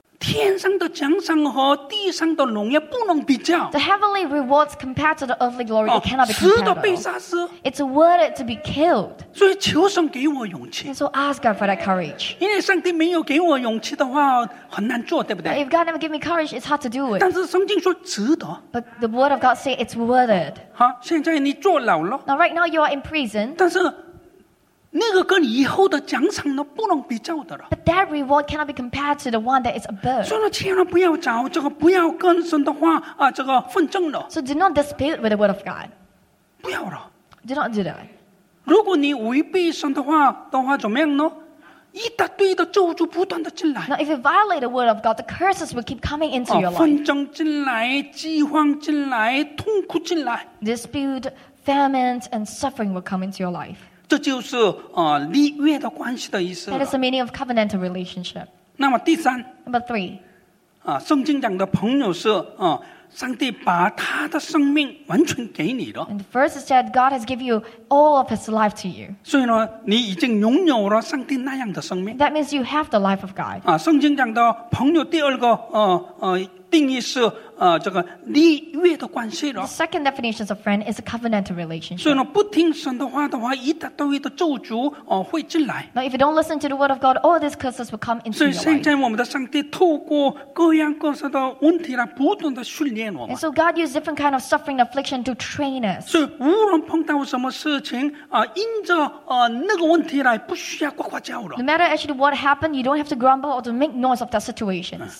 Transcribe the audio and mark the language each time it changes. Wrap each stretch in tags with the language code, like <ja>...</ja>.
<zh>天上的奖赏和地上的荣耀不能比较。</zh> <en>The heavenly rewards compared to the earthly glory, they cannot be compared.</en> <zh>死都被杀死。</zh> <en>It's worth it to be killed.</en> <zh>所以求神给我勇气。</zh> <en>And so ask God for that courage.</en> <zh>因为上帝没有给我勇气的话, 很难做, 对不对?</zh> <en>But if God never gave me courage, it's hard to do it.</en> <zh>但是圣经说值得。</zh> <en>But the word of God says it's worth it.</en> <zh>现在你坐牢了。</zh> <en>Now right now you are in prison.</en> <zh>但是 那个跟以后的奖赏呢,不能比较的了。</zh> <en>But that reward cannot be compared to the one that is above.</en> <zh>所以千万不要找这个,不要跟神的话,这个,纷争了。</zh> <en>So do not dispute with the word of God.</en> <zh>不要了。</zh> <en>Do not do that.</en> <zh>如果你违背神的话,的话怎么样呢? 一大堆的咒诅不断地进来。</zh> <en>Now if you violate the word of God, the curses will keep coming into your life.</en> <zh>纷争进来,饥荒进来,痛苦进来。</zh> <en>Dispute, famine, and suffering will come into your life.</en> <zh>这就是, 立约的关系的意思。</zh> <en>That is the meaning of covenantal relationship.</en> <zh>那么第三,</zh> <en>Number three.</en> <zh>圣经讲的朋友是, 上帝把他的生命完全给你了。</zh> <en>And the first is that God has given you all of his life to you.</en> <zh>所以呢, 你已经拥有了上帝那样的生命。</zh> <en>That means you have the life of God.</en> <zh>圣经讲的朋友第二个, 定义是, 这个立约的关系了。</zh> <en>The second definition of friend is a covenantal relationship.</en> <zh>所以呢,不听神的话的话, 一大堆的咒诅, 会进来。</zh> <en>Now, if you don't listen to the word of God, all these curses will come into your life.</en> <zh>所以现在我们的上帝透过各样各色的问题来不断地训练我们。</zh> <en>And so God used different kind of suffering and affliction to train us.</en> <zh>所以无论碰到什么事情, 因着那个问题来不需要呱呱叫了。</zh> <en>No matter actually what happened, you don't have to grumble or to make noise of that situation.</en>